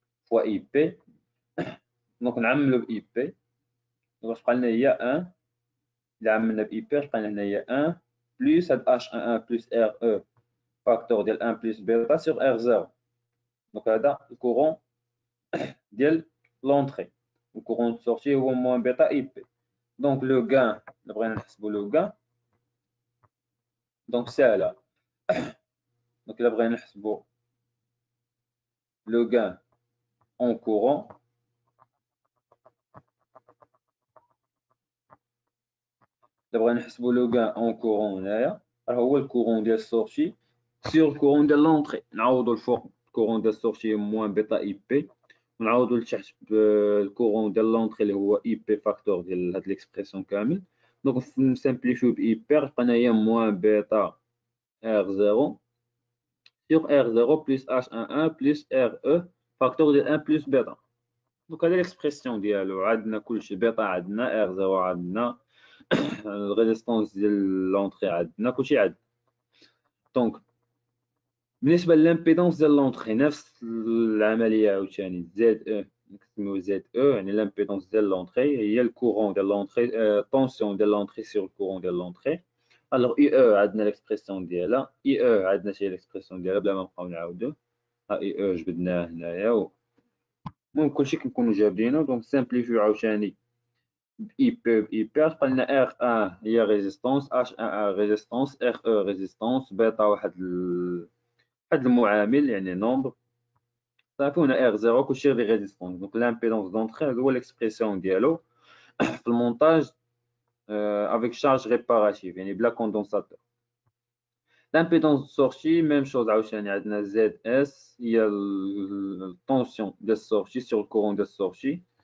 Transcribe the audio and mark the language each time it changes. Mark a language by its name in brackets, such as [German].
[Arabic] و اي بي، دونك نعملو ب اي بي باش تبقى لنا هي ان، الى عملنا ب اي بي تبقى لنا هنايا ان بلوس هاد اش ان ان بلوس ار او فاكتور ديال ان بلوس بيتا سيغ ار زيرو، دونك هذا الكورون ديال لونتخي، الكورون ديال سورتي هو موان بيتا اي بي. دونك لو كان اللي بغينا نحسبو لو كان، [French] دونك ساهله، دونك الى بغينا نحسبو لو كان en courant d'abord on calcule le gain en courant là alors où est le courant de sortie sur le courant de l'entrée on ajoute le courant de sortie moins bêta ip on ajoute le courant de l'entrée le ip facteur de l'expression complète donc on simplifie ip on a moins bêta r0 sur r0 plus h11 plus re [Arabic] فاكتور ديال ان بلس بيتا. دونك هذا الاكسبرسيون ديالو، عندنا كلشي بيتا عندنا ار زيرو عندنا الريزيستونس ديال لونتري عندنا كلشي عندنا. دونك بالنسبه للامبيدونس ديال لونتري نفس العمليه عاوتاني زد او نسميو زد او يعني الامبيدونس ديال لونتري هي الكورون ديال لونتري طونسيون ديال لونتري سير الكورون ديال لونتري. الوغ اي او عندنا الاكسبرسيون ديالها، اي او عندنا شي الاكسبرسيون ديالها بلا ما نبقاو نعاودو اي او جبدناه هنايا، المهم كلشي كنكونو جابدينه. دونك سامبليفيو عاوتاني اي بي اي بي قلنا ار ان هي ريزيستونس اش ان ان ريزيستونس ار او ريزيستونس بيتا واحد واحد المعامل يعني نومبر صافي، هنا ار زيرو كلشي غير ريزيستونس. دونك لامبيدونس دونتخي هو الاكسبرسيون ديالو في المونتاج افيك شارج ريباراتيف يعني بلا كوندونساتور. [French] L'impédance de sortie, même chose, ZS, il y a la tension de sortie sur le courant de sortie.